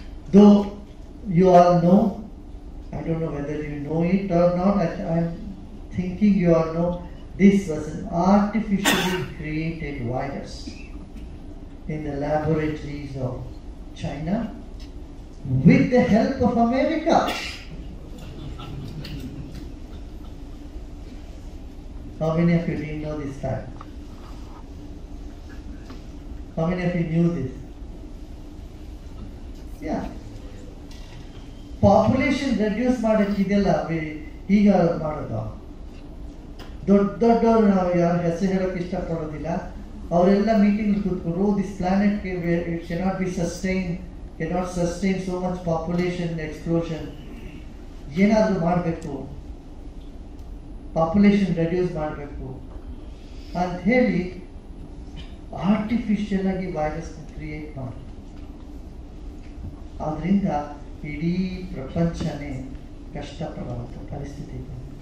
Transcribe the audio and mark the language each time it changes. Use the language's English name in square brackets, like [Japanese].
[English] Though you all know, I don't know whether you know it or not, I'm thinking you all know, this was an artificially created virus in the laboratories of China with the help of America. How many of you didn't know this fact? How many of you knew this? Yeah. [Kannada] Population reduce ಮಾಡಕ್ಕಿದೆಯಲ್ಲ ಈಗ ಮಾಡೋದು, ದೊಡ್ಡ ದೊಡ್ಡವರು ನಾವು ಯಾರು ಹೆಸರು ಹೇಳೋಕೆ ಇಷ್ಟಪಡೋದಿಲ್ಲ, ಅವರೆಲ್ಲ ಮೀಟಿಂಗ್ ಕೂತ್ಕೊಂಡು [English] This planet cannot be sustain cannot sustain so much population explosion. [Kannada] ಏನಾದರೂ ಮಾಡಬೇಕು, ಪಾಪ್ಯುಲೇಷನ್ ರೆಡ್ಯೂಸ್ ಮಾಡಬೇಕು ಅಂತ ಹೇಳಿ ಆರ್ಟಿಫಿಷಿಯಲ್ ಆಗಿ ವೈರಸ್ ಕ್ರಿಯೇಟ್ ಮಾಡಿ, ಆದ್ರಿಂದ ಇಡೀ ಪ್ರಪಂಚನೇ ಕಷ್ಟಪಡುವಂಥ ಪರಿಸ್ಥಿತಿ ಇದೆ.